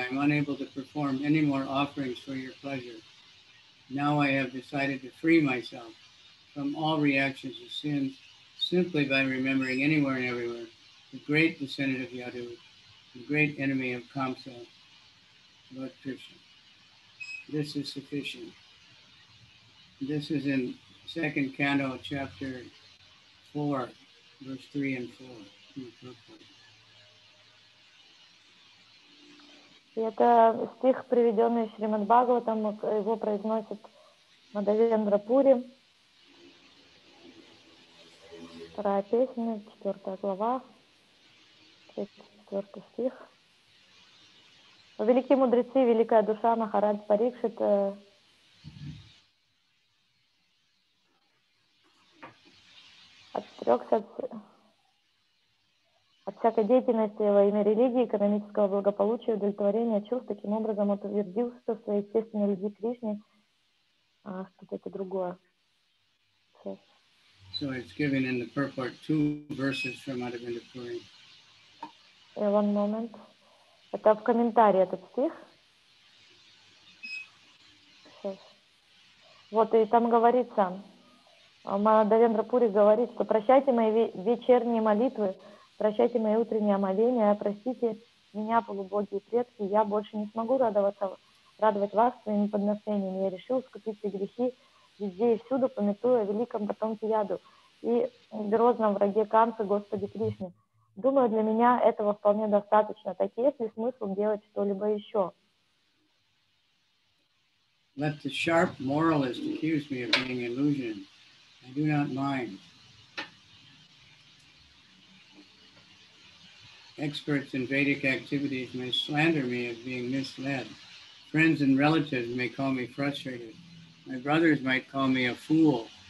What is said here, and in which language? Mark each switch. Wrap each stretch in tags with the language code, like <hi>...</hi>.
<en>I'm unable to perform any more offerings for your pleasure. Now I have decided to free myself from all reactions of sins simply by remembering anywhere and everywhere the great descendant of Yadu, the great enemy of Kamsa, Lord Krishna. This is sufficient. This is in Second Canto, chapter 4, verse 3 and 4.</en> <ru>Это стих, приведенный Шримад Бхагаватам, его произносит Мадхавендра Пури. Вторая песня, четвертая глава. Четвертый стих. Великие мудрецы, великая душа, Махарадж Парикшит. Отрекся от всякой деятельности во имя религии, экономического благополучия, удовлетворения чувств, таким образом утвердился в своей естественной любви к Кришне. А что-то это другое.</ru> <en>So it's given in the purport two verses from Madhavendra Puri. One moment.</en> <ru>Это в комментарии этот стих. Сейчас. Вот, и там говорится, Мадхавендра Пури говорит, что прощайте мои вечерние молитвы, прощайте мои утренние омовения, простите меня, полубогие предки, я больше не смогу радовать вас своими подношениями. Я решил искупить все грехи везде и всюду, памятуя о великом потомке Яду и грозном враге Камсы, Господи Кришне. Думаю, для меня этого вполне достаточно. Так есть ли смысл делать что-либо еще?</ru> <en>Let the sharp moralist accuse me of being illusion. I do not mind. Experts in Vedic activities may slander me of being misled. Friends and relatives may call me frustrated. My brothers might call me a fool.</en>